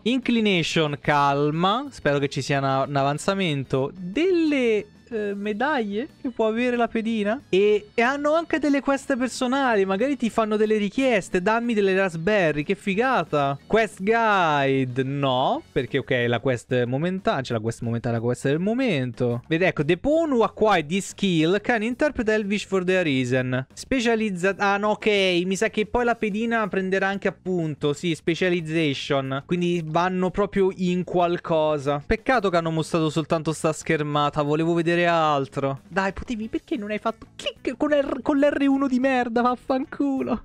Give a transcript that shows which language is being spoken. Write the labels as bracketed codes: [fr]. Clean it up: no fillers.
[it] Inclination, calma. Spero che ci sia un avanzamento. Delle... medaglie che può avere la pedina. E hanno anche delle quest personali. Magari ti fanno delle richieste. Dammi delle raspberry. Che figata. Quest guide. No. Perché ok, la quest momentanea. C'è la quest momentanea, la quest del momento. Vedi, ecco. [en] The pawn who acquired this skill can interpret Elvish for the reason. [it] Specializzata. Ah no, ok. Mi sa che poi la pedina prenderà anche appunto. Sì, specialization. Quindi vanno proprio in qualcosa. Peccato che hanno mostrato soltanto sta schermata. Volevo vedere altro. Dai, potevi, perché non hai fatto click con l'R1 di merda, vaffanculo.